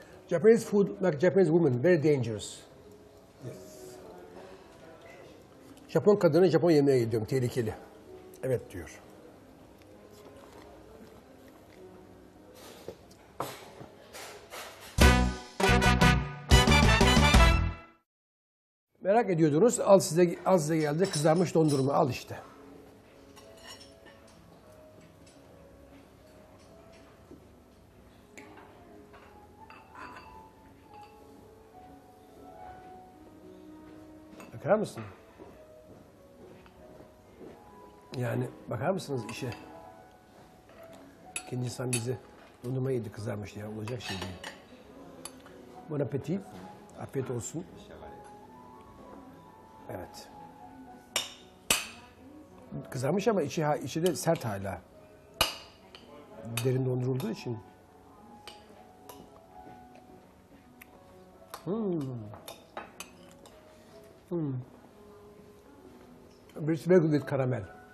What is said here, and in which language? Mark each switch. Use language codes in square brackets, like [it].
[en] Japanese food, like Japanese women, very dangerous. Yes. [tr] Japon kadını Japon yemeğe gidiyorum, tehlikeli. Evet diyor. Merak ediyordunuz, al size geldi kızarmış dondurma, al işte. Bakar mısın? Yani bakar mısınız işe? Kendi insan bizi dondurma yedi kızarmış ya. Olacak şey değil. Bon appétit. Afiyet olsun. Evet. Kızarmış ama içi de sert hala. Derin dondurulduğu için. [en] It's very good with caramel.